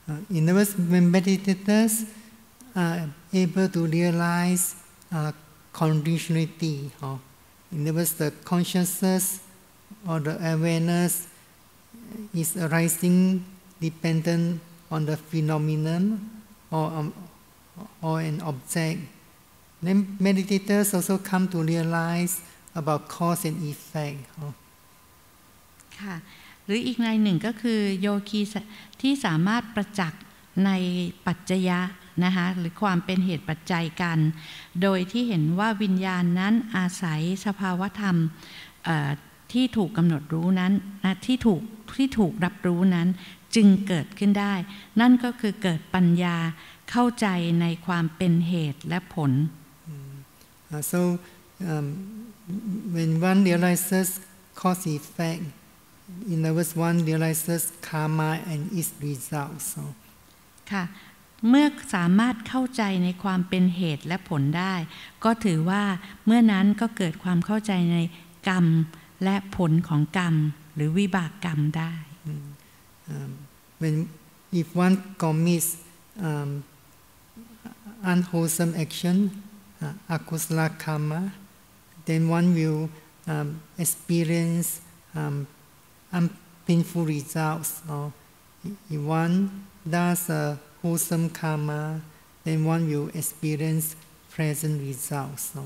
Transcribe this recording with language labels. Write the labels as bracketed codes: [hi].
[en] In the words when meditators able to realize conditionality in other words the consciousness or the awareness is arising dependent on the phenomenon or an object then meditators also come to realize about cause and effect [th] ค่ะหรืออีกในหนึ่งก็คือโยคีที่สามารถประจักษ์ในปัจจยะนะคะหรือความเป็นเหตุปัจจัยกันโดยที่เห็นว่าวิญญาณนั้นอาศัยสภาวธรรมที่ถูกกำหนดรู้นั้นที่ถูกรับรู้นั้นจึงเกิดขึ้นได้นั่นก็คือเกิดปัญญาเข้าใจในความเป็นเหตุและผล [en] so when one realizes cause effect in the verse one realizes karma and its results [th] ค่ะเมื่อสามารถเข้าใจในความเป็นเหตุและผลได้ก็ถือว่าเมื่อนั้นก็เกิดความเข้าใจในกรรมและผลของกรรมหรือวิบากกรรมได้ [en] When if one commits unwholesome action akusala karma then one will experience painful results or if one does wholesome karma then one will experience pleasant results